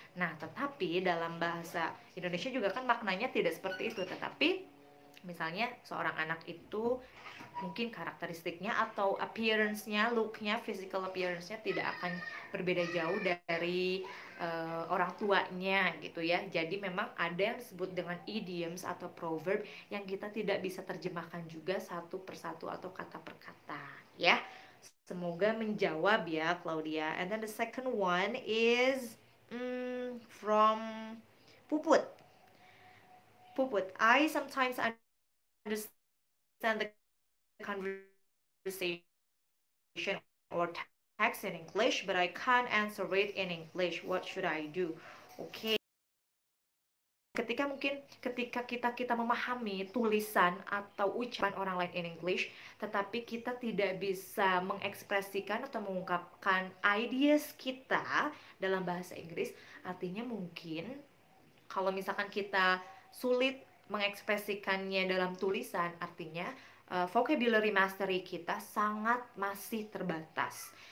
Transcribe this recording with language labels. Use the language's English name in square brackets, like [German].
[Indonesian] Nah, tetapi dalam bahasa Indonesia juga kan maknanya tidak seperti itu, tetapi misalnya seorang anak itu mungkin karakteristiknya atau appearance-nya, look-nya, physical appearance-nya tidak akan berbeda jauh dari orang tuanya gitu ya. Jadi memang ada yang disebut dengan idioms atau proverb yang kita tidak bisa terjemahkan juga satu persatu atau kata per kata ya. Semoga menjawab ya, Claudia. [English] And then the second one is from Puput. Puput, I sometimes understand the conversation or text in English, but I can't answer it in English. What should I do? Okay. [Indonesian] Ketika mungkin ketika kita kita memahami tulisan atau ucapan orang lain in English, tetapi kita tidak bisa mengekspresikan atau mengungkapkan ideas kita dalam bahasa Inggris, artinya mungkin kalau misalkan kita sulit mengekspresikannya dalam tulisan, artinya vocabulary mastery kita sangat masih terbatas.